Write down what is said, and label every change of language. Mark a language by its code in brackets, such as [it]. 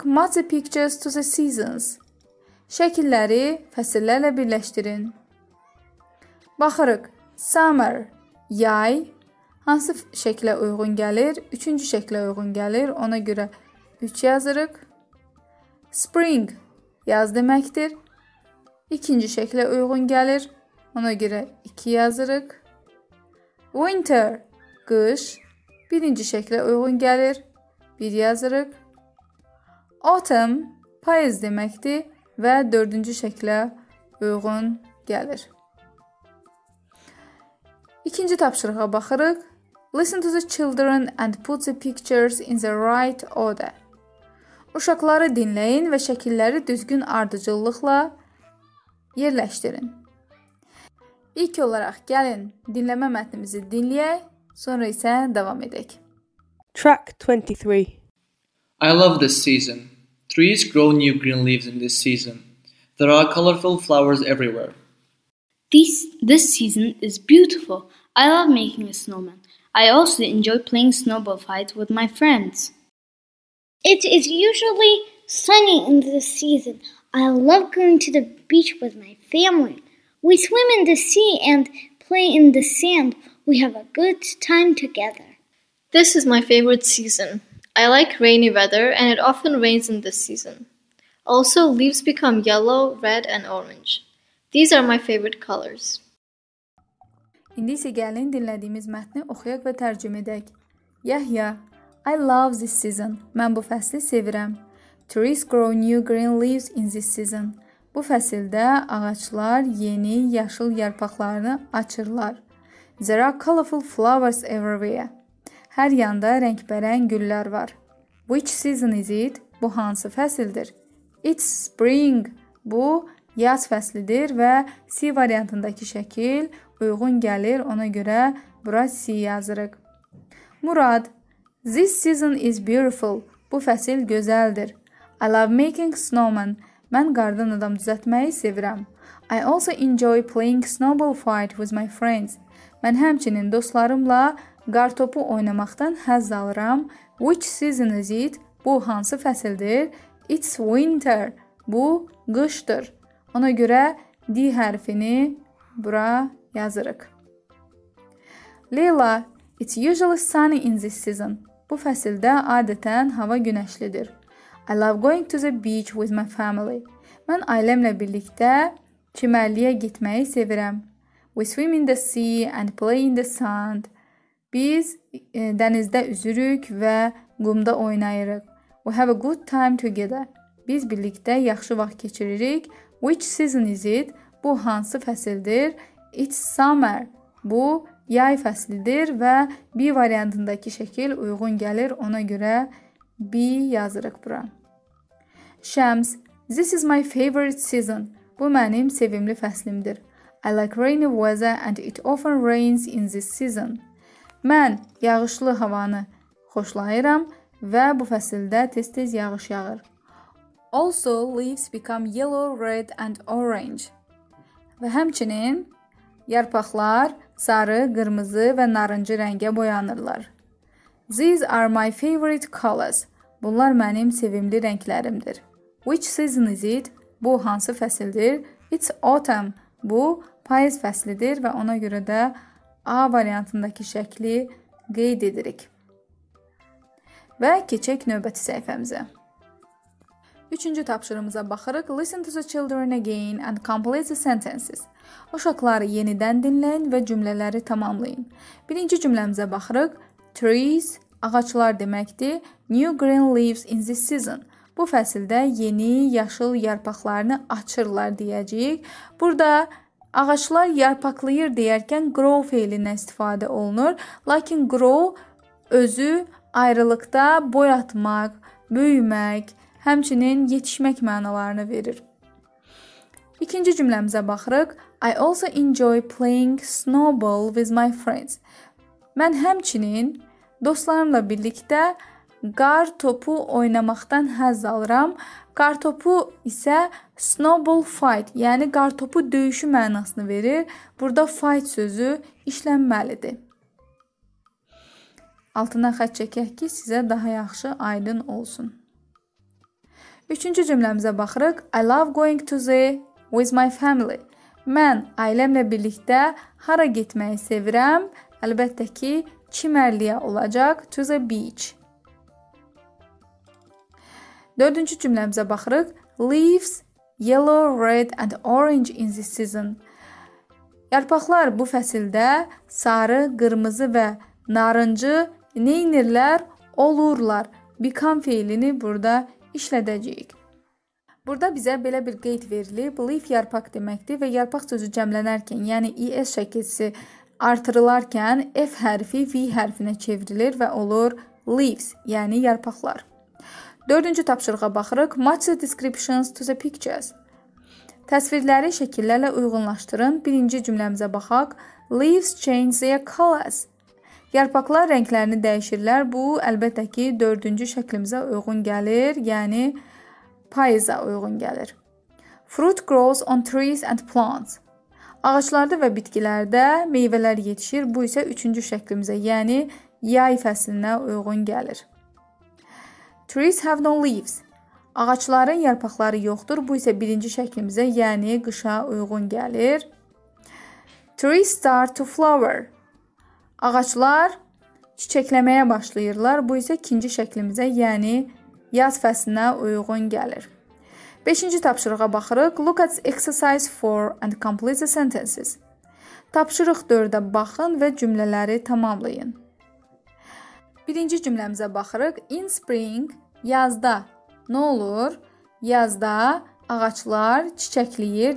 [en] Match the pictures to the seasons. [az] Şəkilləri fəsillərlə birləşdirin. Baxırıq. Summer, yay. Hansı şəklə uyğun gəlir? Üçüncü şəklə uyğun gəlir. Ona görə 3 yazırıq. Spring, yaz deməkdir. İkinci şəklə uyğun gəlir. Ona görə 2 yazırıq. Winter, qış, birinci şəklə uyğun gəlir, bir yazırıq. Autumn, payız deməkdir və dördüncü şəklə uyğun gəlir. İkinci tapşırığa baxırıq. [en] Listen to the children and put the pictures in the right order. [az] Uşaqları dinləyin və şəkilləri düzgün ardıcıllıqla yerləşdirin. İlk olaraq gəlin dinləmə mətnimizi dinləyək, sonra isə davam edək. [en] Track 23. I love this season. Trees grow new green leaves in this season. There are colorful flowers everywhere. This season is beautiful. I love making a snowman. I also enjoy playing snowball fight with my friends. It is usually sunny in this season. I love going to the beach with my family. We swim in the sea and play in the sand. We have a good time together. This is my favorite season. I like rainy weather and it often rains in this season. Also, leaves become yellow, red and orange. These are my favorite colors. [az] İndi isə gəlin dinlədiyimiz mətni oxuyaq və tərcümə edək. [en] Yahya, I love this season. [az] Mən bu fəsli sevirəm. [en] Trees grow new green leaves in this season. [az] Bu fəsildə ağaçlar yeni yaşıl yarpaqlarını açırlar. [en] There are colorful flowers everywhere. [az] Hər yanda rəngbərəng güllər var. [en] Which season is it? [az] Bu hansı fəsildir? [en] It's spring. [az] Bu yaz fəslidir və C variantındakı şəkil uyğun gəlir. Ona görə bura C yazırıq. [en] Murad, this season is beautiful. [az] Bu fəsil gözəldir. [en] I love making snowmen. [az] Mən qardan adam düzətməyi sevirəm. [en] I also enjoy playing snowball fight with my friends. [az] Mən həmçinin dostlarımla qar topu oynamaqdan həzz alıram. [en] Which season is it? [az] Bu hansı fəsildir? [en] It's winter. [az] Bu qışdır. Ona görə D hərfini bura yazırıq. [en] Leyla, it's usually sunny in this season. [az] Bu fəsildə adətən hava günəşlidir. [en] I love going to the beach with my family. [az] Mən ailəmlə birlikdə çimərliyə getməyi sevirəm. [en] We swim in the sea and play in the sand. [az] Biz dənizdə üzürük və qumda oynayırıq. [en] We have a good time together. [az] Biz birlikdə yaxşı vaxt keçiririk. [en] Which season is it? [az] Bu hansı fəsildir? [en] It's summer. [az] Bu yay fəslidir və B variantındakı şəkil uyğun gəlir ona görə B yazırıq bura. [en] Şəms, this is my favorite season. [az] Bu mənim sevimli fəslimdir. [en] I like rainy weather and it often rains in this season. [az] Mən yağışlı havanı xoşlayıram və bu fəsildə tez-tez yağış yağır. [en] Also, leaves become yellow, red and orange. [az] Və həmçinin yarpaqlar sarı, qırmızı və narıncı rəngə boyanırlar. [en] These are my favorite colors. [az] Bunlar mənim sevimli rənglərimdir. [en] Which season is it? [az] Bu hansı fəsildir? [en] It's autumn. [az] Bu payız fəslidir və ona görə də A variantındakı şəkli qeyd edirik. Və keçək növbəti səhifəmizə. Üçüncü tapşırımıza baxırıq. [en] Listen to the children again and complete the sentences. [az] Uşaqları yenidən dinləyin və cümlələri tamamlayın. Birinci cümləmizə baxırıq. Trees, ağaçlar deməkdir. [en] New green leaves in this season. [az] Bu fəsildə yeni yaşıl yarpaqlarını açırlar deyəcəyik. Burada Ağaçlar yarpaqlayır deyərkən grow fiilinə istifadə olunur. Lakin grow özü ayrılıqda boy atmaq, büyümək, həmçinin yetişmək mənalarını verir. İkinci cümləmizə baxırıq. [en] I also enjoy playing snowball with my friends. [az] Mən həmçinin dostlarımla birlikdə qar topu oynamaqdan həzz alıram. Qar topu isə snowball fight, yəni qar topu döyüşü mənasını verir. Burada fight sözü işlənməlidir. Altına xətt çəkək ki, sizə daha yaxşı aydın olsun. Üçüncü cümləmizə baxırıq. [en] I love going to the with my family. [az] Mən ailəmlə birlikdə hara getməyi sevirəm? Əlbəttə ki, çimərliyə olacaq. [en] To the beach. [az] Dördüncü cümləmizə baxırıq. [en] Leaves yellow, red and orange in this season. [az] Yarpaqlar bu fəsildə sarı, qırmızı və narıncı neynirlər? Olurlar. Become fiilini burada işlədəcəyik. Burada bizə belə bir qeyd verilib. Leaf yarpaq deməkdir və yarpaq sözü cəmlənərkən, yəni es şəkilsi artırılarkən F hərfi V hərfinə çevrilir və olur leaves, yəni yarpaqlar. Dördüncü tapşırığa baxırıq. [en] Match the descriptions to the pictures. [az] Təsvirləri şəkillərlə uyğunlaşdırın. Birinci cümləmizə baxaq. [en] Leaves change their colors. [az] Yarpaqlar rənglərini dəyişirlər. Bu, əlbəttə ki, dördüncü şəklimizə uyğun gəlir, yəni payıza uyğun gəlir. [en] Fruit grows on trees and plants. [az] Ağaçlarda və bitkilərdə meyvələr yetişir. Bu isə üçüncü şəklimizə, yəni yay fəslinə uyğun gəlir. [en] Trees have no leaves. [az] Ağaçların yarpaqları yoxdur. Bu isə birinci şəklimizə, yəni qışa uyğun gəlir. [en] Trees start to flower. [az] Ağaçlar çiçəkləməyə başlayırlar. Bu isə ikinci şəklimizə, yəni yaz fəslinə uyğun gəlir. Beşinci tapşırığa baxırıq. [en] Look at exercise 4 and complete the sentences. [az] Tapşırıq 4-ə baxın və cümlələri tamamlayın. Birinci cümləmizə baxırıq. [en] In spring, [az] yazda nə olur? Yazda ağaçlar çiçəkləyir.